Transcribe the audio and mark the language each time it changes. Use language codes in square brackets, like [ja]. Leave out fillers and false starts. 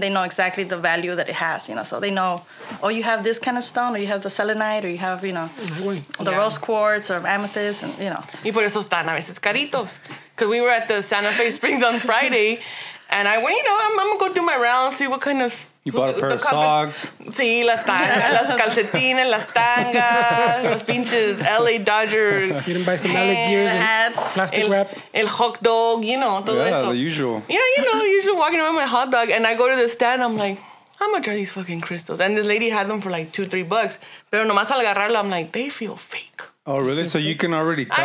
[en] They know exactly the value that it has, you know? So they know, oh, you have this kind of stone, or you have the selenite, or you have, you know, the rose quartz or amethyst. And, you know. [es] Y por eso están a veces caritos. [en] Because we were at the Santa Fe Springs on Friday. And I went, you know, I'm going to go do my rounds, see what kind of... You bought a pair of socks. [es] Sí, las tangas, las calcetines, las tangas, los pinches LA Dodger. [en] You didn't buy some LA gears and hats, plastic wrap. [es] El hot dog, [en] you know, [es] todo [en] yeah, [es] eso. [en] Yeah, the usual. Yeah, you know, usually walking around with my hot dog. And I go to the stand, I'm like... How much are these fucking crystals? And this lady had them for like $2-3. [es] Pero nomás al agarrarlo, [en] I'm like, they feel fake. Oh, really? So you can already tell?